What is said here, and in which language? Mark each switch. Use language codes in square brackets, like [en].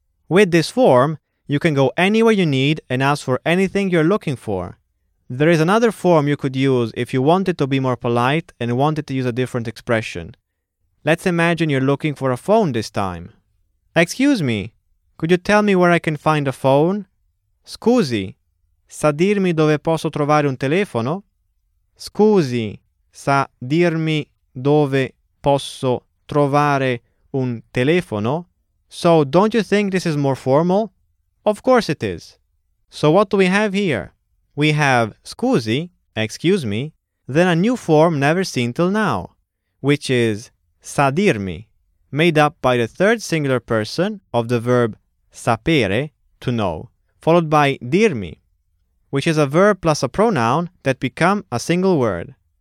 [en] With this form, you can go anywhere you need and ask for anything you're looking for. There is another form you could use if you wanted to be more polite and wanted to use a different expression. Let's imagine you're looking for a phone this time. Excuse me, could you tell me where I can find a phone? [it] Scusi, sa dirmi dove posso trovare un telefono? Scusi, sa dirmi dove posso trovare un telefono? [en] So, don't you think this is more formal? Of course it is. So, what do we have here? We have scusi, excuse me, then a new form never seen till now, which is [it] sa dirmi, [en] made up by the third singular person of the verb sapere, to know, followed by dirmi, which is a verb plus a pronoun that become a single word.